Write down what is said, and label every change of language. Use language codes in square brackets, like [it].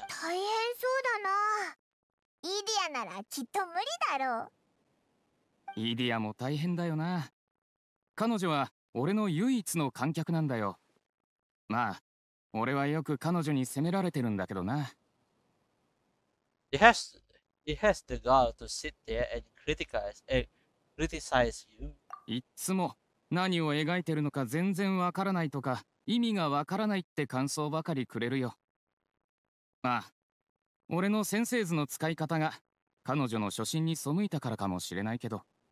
[ja] 大変そうだな。イディアならきっと無理だろう。イディアも大変だよな。彼女は。俺の唯一の観客なんだよ。まあ、俺はよく彼女に責められてるんだけどな。 [en] He has the girl to sit there and criticize you. [ja] いつも何を描いてるのか全然わからないとか、意味がわからないって感想ばかりくれるよ。まあ、俺の先生図の使い方が彼女の初心に背いたからかもしれないけど。